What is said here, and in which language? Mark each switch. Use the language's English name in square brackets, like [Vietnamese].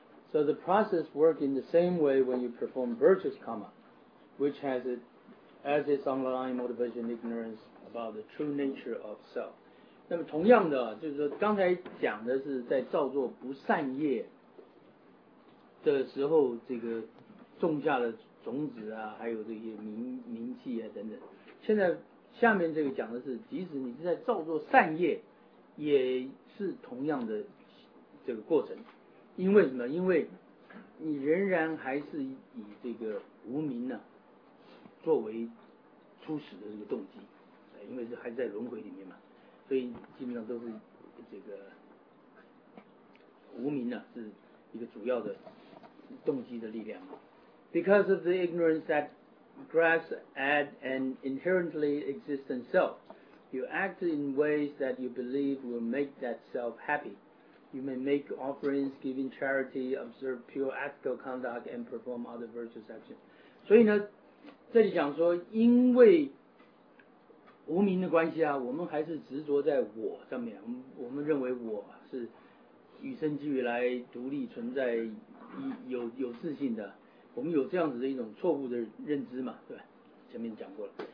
[English] So the process works in the same way when you perform virtuous karma, which has it as its underlying motivation ignorance about the true nature of self. [Chinese] 那么同样的，就是刚才讲的是在造作不善业的时候，这个种下的种子啊，还有这些名气啊等等。现在下面这个讲的是，即使你是在造作善业，也是同样的这个过程。因为什么？因为你仍然还是以这个无明呢、啊、作为初始的这个动机，因为是还在轮回里面嘛，所以基本上都是这个无明呢、啊、是一个主要的动机的力量嘛。 [English] Because of the ignorance that grasps at an inherently existent self, you act in ways that you believe will make that self happy. You may make offerings, giving charity, observe pure ethical conduct, and perform other virtuous actions. [Chinese] 所以呢，这里讲说，因为无明的关系啊，我们还是执着在我上面。我们认为我是与生俱来独立存在，有自信的。我们有这样子的一种错误的认知嘛，对吧？前面讲过了。